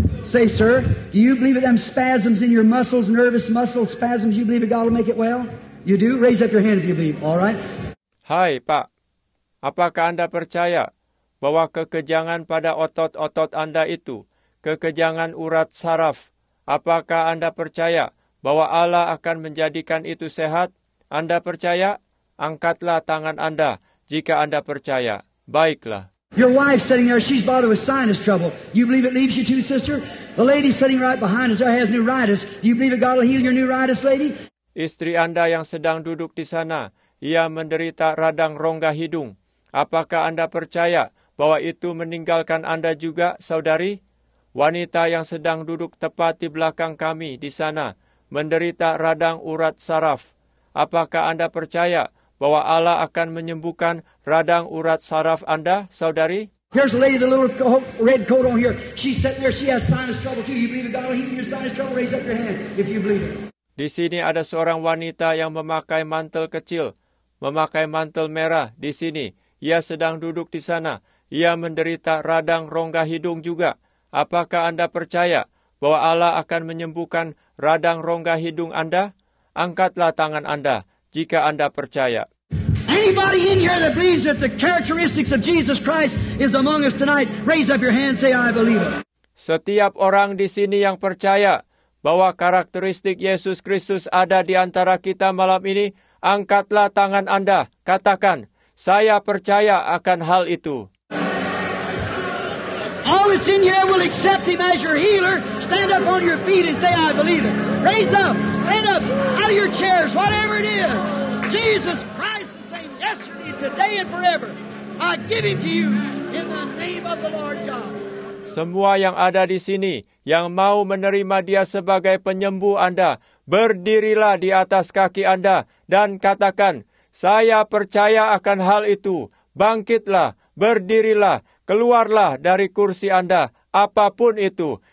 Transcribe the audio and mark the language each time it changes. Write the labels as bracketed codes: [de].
[en] Say, sir, do you believe that them spasms in your muscles, nervous muscle spasms, you believe that God will make it well? You do? Raise up your hand if you believe, all right? [id] Hai, Pak. Apakah Anda percaya bahwa kekejangan pada otot-otot Anda itu, kekejangan urat saraf, apakah Anda percaya bahwa Allah akan menjadikan itu sehat? Anda percaya? Angkatlah tangan Anda jika Anda percaya. Baiklah. [en] Your wife sitting there, she's bothered with sinus trouble. You believe it leaves you too, sister? The lady sitting right behind us, her has neuritis. You believe that God will heal your neuritis, lady? [id] Istri Anda yang sedang duduk di sana, ia menderita radang rongga hidung. Apakah Anda percaya bahwa itu meninggalkan Anda juga, saudari? Wanita yang sedang duduk tepat di belakang kami di sana, menderita radang urat saraf. Apakah Anda percaya bahwa Allah akan menyembuhkan radang urat saraf Anda, saudari? [en] Here's a lady, the little red coat on here. She's sitting there, she has sinus trouble too. You believe that God will heal your sinus trouble? Raise up your hand if you believe it. [id] Di sini ada seorang wanita yang memakai mantel kecil, memakai mantel merah di sini. Ia sedang duduk di sana. Ia menderita radang rongga hidung juga. Apakah Anda percaya bahwa Allah akan menyembuhkan radang rongga hidung Anda? Angkatlah tangan Anda jika Anda percaya. [en] Anybody in here that believes that the characteristics of Jesus Christ is among us tonight, raise up your hand, say I believe it. [id] Setiap orang di sini yang percaya bahwa karakteristik Yesus Kristus ada di antara kita malam ini, angkatlah tangan Anda, katakan, saya percaya akan hal itu. [en] All that's in here will accept him as your healer. Stand up on your feet and say, I believe it. Raise up, stand up, out of your chairs, whatever it is. Jesus Christ is saying yesterday, today and forever. I give him to you in the name of the Lord God. [id] Semua yang ada di sini, yang mau menerima dia sebagai penyembuh Anda, berdirilah di atas kaki Anda dan katakan, saya percaya akan hal itu. Bangkitlah, berdirilah. Keluarlah dari kursi Anda, apapun itu.